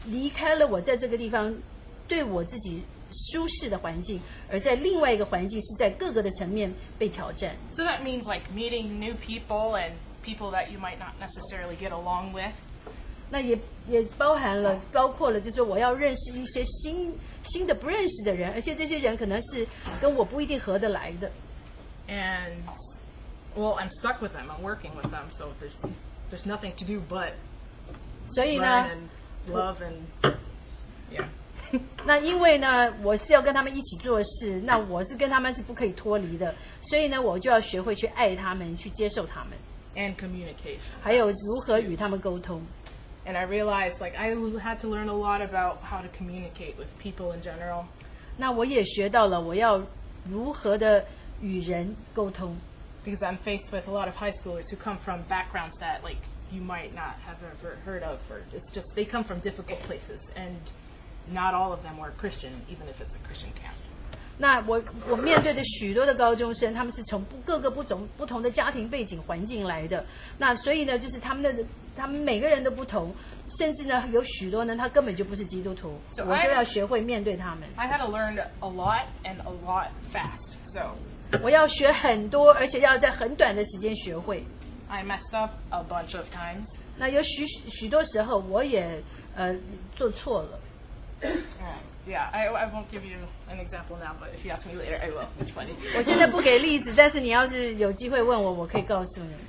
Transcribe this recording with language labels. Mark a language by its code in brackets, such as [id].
[zh] 那在那个地方，等于是我在各个层面都面临了挑战，也感觉到好像是神把我给推出去了，是让我离开了我在这个地方。对我自己舒适的环境，而在另外一个环境是在各个的层面被挑战。So [en] that means like meeting new people and people that you might not necessarily get along with. [zh] 那也包含了，包括了，就是我要认识一些新的不认识的人，而且这些人可能是跟我不一定合得来的。And [en] well, I'm stuck with them. I'm working with them, so there's nothing to do but learn and love and yeah. [zh] 那因为呢，我是要跟他们一起做事，那我是跟他们是不可以脱离的，所以呢，我就要学会去爱他们，去接受他们。 [en] And communication. [zh] 还有如何与他们沟通。 [en] And I realized, like, I had to learn a lot about how to communicate with people in general. [zh] 那我也学到了我要如何的与人沟通。 [en] Because I'm faced with a lot of high schoolers who come from backgrounds that, like, you might not have ever heard of, or it's just they come from difficult places, and not all of them were Christian, even if it's a Christian camp. [zh] 那我面对的许多的高中生，他们是从各个不同的家庭背景环境来的。那所以呢，就是他们每个人都不同，甚至呢有许多呢，他根本就不是基督徒。 [en] So、 [zh] 我就要学会面对他们。 [en] I had to learn a lot and a lot fast. So. [zh] 我要学很多，而且要在很短的时间学会。 [en] I messed up a bunch of times. [zh] 那有许多时候我也做错了。 [en] Yeah, I won't give you an example now, but if you ask me later, I will. It's funny. [zh] 我现在不给例子，但是你要是有机会问我，我可以告诉你。